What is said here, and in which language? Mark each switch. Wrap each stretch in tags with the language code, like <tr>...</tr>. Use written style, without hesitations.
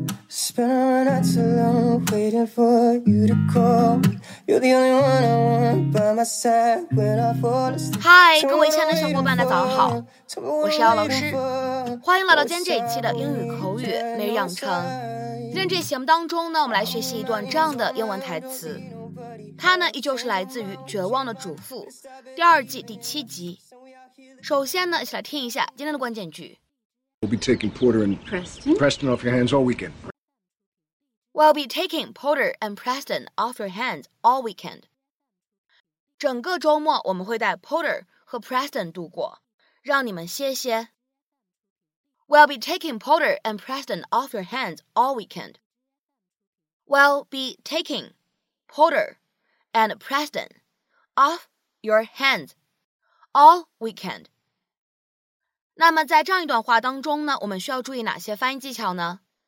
<en>Spent my nights alone waiting for you to call. You're the only one I want by my side when I fall asleep.</en> <zh>Hi, 各位亲爱的小伙伴大家好，我是姚老师，欢迎来到今天这一期的英语口语每日养成。今天这期节目当中呢，我们来学习一段这样的英文台词，它呢依旧是来自于《绝望的主妇》第二季第七集。首先呢，一起来听一下今天的关键句。</zh> <en>We'll be taking Porter and Preston off your hands all weekend. We'll be taking Porter and Preston off your hands all weekend.</en> <zh>整个周末我们会带 Porter 和 Preston 度过，让你们歇歇。</zh> <en>We'll be taking Porter and Preston off your hands all weekend. We'll be taking Porter and Preston off your hands all weekend.</en> <zh>那么在这样一段话当中呢，我们需要注意哪些发音技巧呢？</zh>